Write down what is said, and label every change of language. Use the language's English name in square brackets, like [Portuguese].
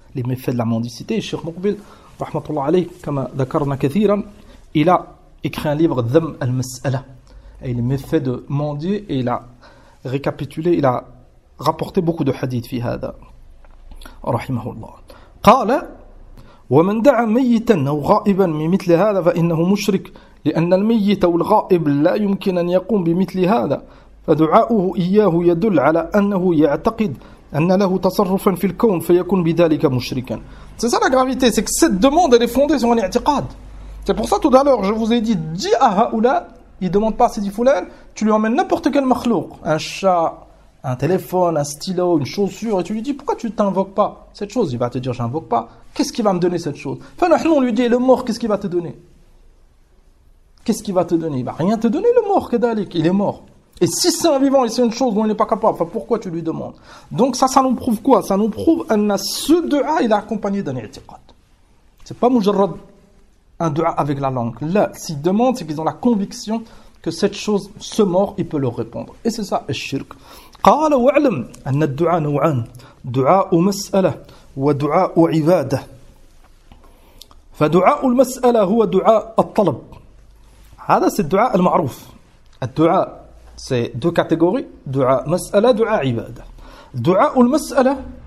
[French] Les méfaits de la mendicité, Cheikh Mouqbil, rahmatullah alayhi, comme [Arabic] dhakarna kathiran, [French] il a écrit un livre, Dham al-Mas'ala, et les méfaits de mendier, et il a récapitulé, il a rapporté beaucoup de hadith fi hada, rahimahullah. [Arabic] Qala, ومن دعا ميتا او غائبا بمثل هذا فانه مشرك لان الميت او الغائب لا يمكن ان يقوم بمثل هذا فدعاؤه اياه يدل على انه يعتقد ان له تصرفا في الكون فيكون بذلك مشركا. [French] C'est ça la gravité, c'est que cette demande elle est fondée sur un i'tiqad. C'est pour ça tout à l'heure je vous ai dit à haoula, il demande pas à Sidi Foulan, tu lui emmènes n'importe quel makhlouq, un chat, un téléphone, un stylo, une chaussure, et tu lui dis pourquoi tu t'invoques pas cette chose, il va te dire j'invoque pas. Qu'est-ce qui va me donner cette chose? Enfin, nous, on lui dit, le mort, qu'est-ce qu'il va te donner? Qu'est-ce qu'il va te donner? Il ne va rien te donner, le mort, Kedalik. Il est mort. Et si c'est un vivant et c'est une chose dont il n'est pas capable, pourquoi tu lui demandes? Donc ça nous prouve quoi? Ça nous prouve que ce dua il est accompagné d'un i'tiqad. C'est pas mujarrad un dua avec la langue. Là, s'ils demandent, c'est qu'ils ont la conviction que cette chose, ce mort, il peut leur répondre. Et c'est ça, al-shirk. [Arabic] قال واعلم أن الدعاء نوعان دعاء مسألة ودعاء عبادة فدعاء المسألة هو دعاء الطلب هذا هو الدعاء المعروف الدعاء [French] سي دو كاتيجوري [Arabic] دعاء مسألة دعاء عبادة دعاء المسألة